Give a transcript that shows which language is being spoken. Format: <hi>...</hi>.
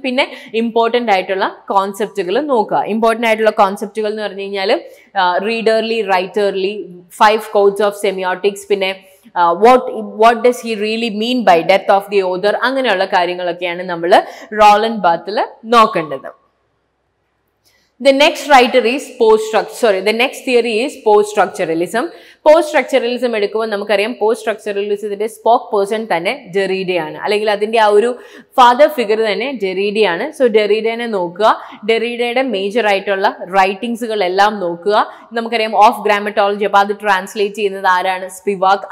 <ml>പിന്നെ ഇമ്പോർട്ടൻ്റ് ആയിട്ടുള്ള കോൺസെപ്റ്റുകൾ നോക്കുക. ഇമ്പോർട്ടൻ്റ് ആയിട്ടുള്ള കോൺസെപ്റ്റുകൾ എന്ന് പറഞ്ഞു കഴിഞ്ഞാൽ റീഡർലി, റൈറ്റർലി, five codes of semiotics, പിന്നെ</ml> <en>what does he really mean by death of the author,</en> <ml>അങ്ങനെയുള്ള കാര്യങ്ങളൊക്കെയാണ് നമ്മൾ റോലൻഡ് ബാത്തിൽ നോക്കേണ്ടത്.</ml> <en>The next writer is the next theory is post-structuralism.</en> <ml>Post-structuralism എടുക്കുമ്പോൾ നമുക്കറിയാം post-structuralismത്തിന്റെ സ്പോക്ക് പേഴ്സൺ തന്നെ ഡെറീഡയാണ്, അല്ലെങ്കിൽ അതിന്റെ ആ ഒരു ഫാദർ ഫിഗർ തന്നെ ഡെറീഡയാണ്. സോ ഡെറീഡേനെ നോക്കുക, ഡെറീഡയുടെ മേജർ ആയിട്ടുള്ള റൈറ്റിംഗ്സുകൾ എല്ലാം നോക്കുക. നമുക്കറിയാം ഓഫ് ഗ്രാമറ്റോളജി, അപ്പൊ അത് ട്രാൻസ്ലേറ്റ് ചെയ്യുന്നത് ആരാണ്, സ്പിവാക്.</ml>